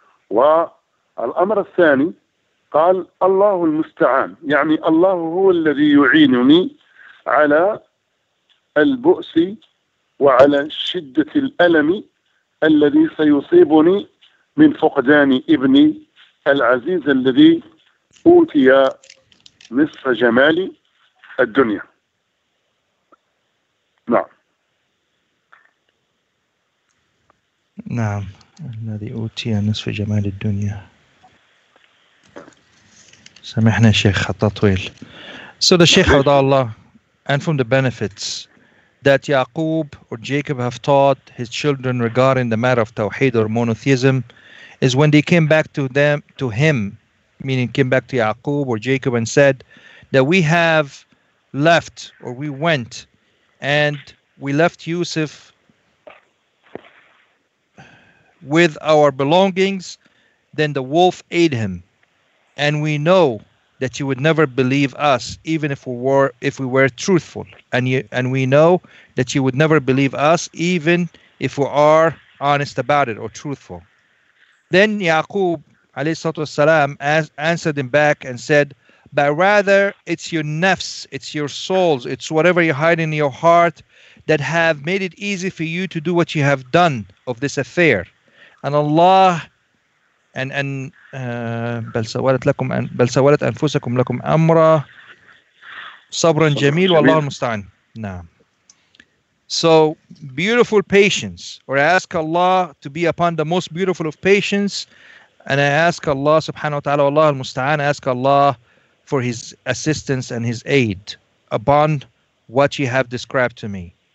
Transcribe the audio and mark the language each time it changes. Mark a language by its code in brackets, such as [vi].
[ar] والأمر الثاني قال الله المستعان، يعني الله هو الذي يعينني على البؤس وعلى شدة الألم الذي سيصيبني من فقدان ابني العزيز الذي أوتي نصف جمال الدنيا. نعم الذي أوتي نصف جمال الدنيا. سمحنا شيخ خطا طويل. [en] So the Sheikh [ar] رضا الله, [en] and from the benefits that Yaqub or Jacob have taught his children regarding the matter of Tawheed or monotheism, is when they came back to them, to him, meaning came back to Yaqub or Jacob, and said that we have left, or we went, and we left Yusuf with our belongings, then the wolf ate him, and we know that you would never believe us, even if we were truthful. And we know that you would never believe us, even if we are honest about it or truthful. Then Yaqub alayhi salatu wasalam answered him back and said, but rather it's your nafs, it's your souls, it's whatever you hide in your heart that have made it easy for you to do what you have done of this affair. And Allah and [ar] بل سولت أنفسكم لكم أمرا صبرا جميل والله المستعان. نعم. [en] So beautiful patience, or I ask Allah to be upon the most beautiful of patience, and I ask Allah subhanahu wa ta'ala [ar] والله المستعان, [en] I ask Allah for his assistance and his aid upon what you have described to me.